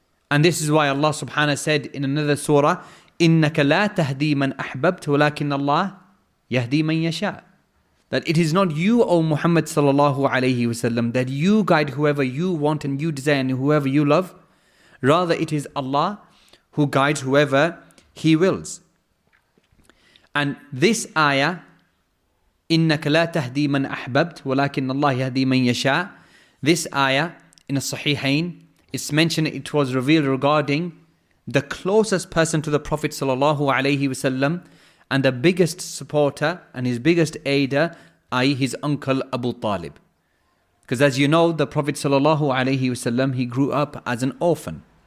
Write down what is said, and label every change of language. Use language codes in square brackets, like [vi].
[en] And this is why Allah subhanahu said in another surah, [ar] إِنَّكَ لَا تَهْدِي مَنْ أَحْبَبْتُ وَلَكِنَّ اللَّهِ يَهْدِي مَنْ يَشَاءُ. [en] That it is not you, O Muhammad sallallahu alayhi wasallam, that you guide whoever you want and you desire and whoever you love. Rather, it is Allah who guides whoever He wills. And this ayah, [ar] إِنَّكَ لَا تَهْدِي مَنْ أَحْبَبْتُ وَلَكِنَّ اللَّهِ يَهْدِي مَنْ يَشَاءُ. [en] This ayah in the Sahihain, it's mentioned it was revealed regarding the closest person to the Prophet sallallahu alayhi wasallam and the biggest supporter and his biggest aider, i.e. his uncle Abu Talib. Because as you know, the Prophet sallallahu alayhi wasallam, he grew up as an orphan.